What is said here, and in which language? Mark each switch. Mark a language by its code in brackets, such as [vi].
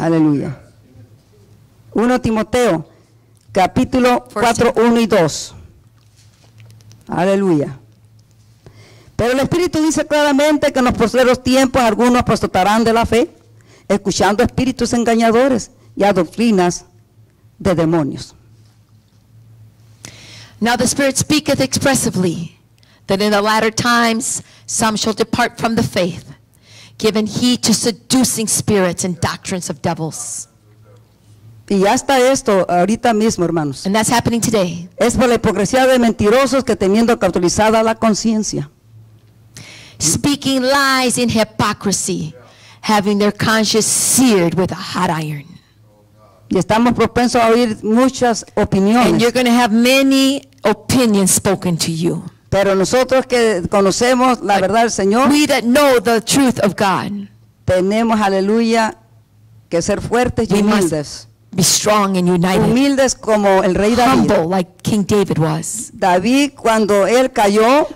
[es] Aleluya. 1 Timoteo capítulo 4, 1 y 2. Aleluya. Pero el Espíritu dice claramente que en los postreros tiempos algunos apostatarán de la fe, escuchando espíritus engañadores y a doctrinas de demonios. [en] Now the Spirit speaketh expressly that in the latter times some shall depart from the faith, giving heed to seducing spirits and doctrines of devils. [es] Y ya está esto ahorita mismo, hermanos. [en] And that's happening today. [es] Es por la hipocresía de mentirosos que teniendo cauterizada la conciencia. [en] Speaking lies in hypocrisy, having their conscience seared with a hot iron. [es] Y estamos propensos a oír muchas opiniones. [en] And you're going to have many opinions spoken to you. [es] Pero nosotros que conocemos la verdad del Señor, [en] we that know the truth of God, [es] tenemos, aleluya, que ser fuertes y humildes. [en] Be strong and united. [es] Humildes como el rey David. [en] Humble like King David was. [es] David, cuando él cayó,